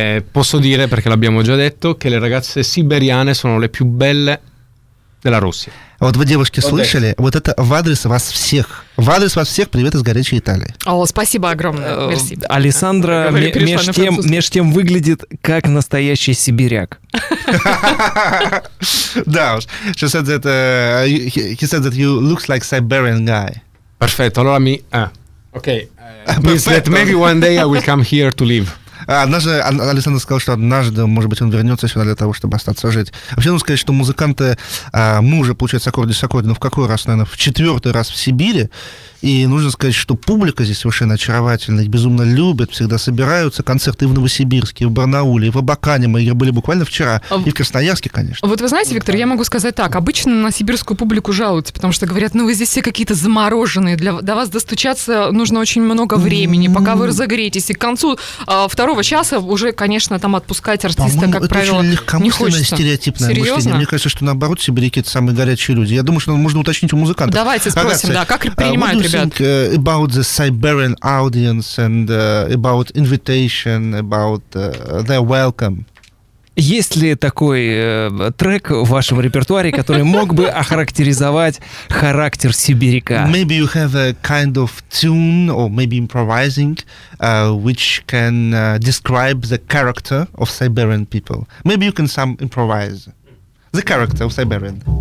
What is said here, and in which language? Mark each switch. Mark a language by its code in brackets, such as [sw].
[it] Posso dire, perché l'abbiamo già detto, che le ragazze siberiane sono le più belle della Russia. [ru] Вот вы, девушки, слышали? Вот это в адрес вас всех. В адрес вас всех привет из горячей Италии. О, спасибо огромное. Мерси. Александра меж тем выглядит как настоящий сибиряк. Да уж. [en] She said that, he said that you look like Siberian guy. [it] Perfetto. Allora mi... [en] Okay. Means that maybe one day I will come here to live. [ru] Однажды Александр сказал, что однажды, может быть, он вернется сюда для того, чтобы остаться жить. Вообще, нужно сказать, что музыканты, мы уже, получается, аккорды-саккорды, но в какой раз, наверное, в четвертый раз в Сибири. И нужно сказать, что публика здесь совершенно очаровательна, их безумно любят, всегда собираются. Концерты и в Новосибирске, и в Барнауле, и в Абакане, мы были буквально вчера, и в Красноярске, конечно. Вот вы знаете, Виктор, я могу сказать так, обычно на сибирскую публику жалуются, потому что говорят, ну вы здесь все какие-то замороженные, до вас достучаться нужно очень много времени, пока вы разогреетесь, и к концу второго часа уже, конечно, там отпускать артиста, по-моему, как правило, не хочется. Это очень легкомысленное, стереотипное Серьезно? Мышление. Мне кажется, что наоборот, сибиряки — это самые горячие люди. Я думаю, что можно уточнить у музыкантов. Давайте спросим, ребята, да, как принимают. [en] What do you think about the Siberian audience and about invitation, about their welcome? [ru] Есть ли такой трек в вашем репертуаре, который мог бы охарактеризовать характер сибиряка? [en] Maybe you have a kind of tune, or maybe improvising, which can describe the character of Siberian people. Maybe you can some improvise the character of Siberian.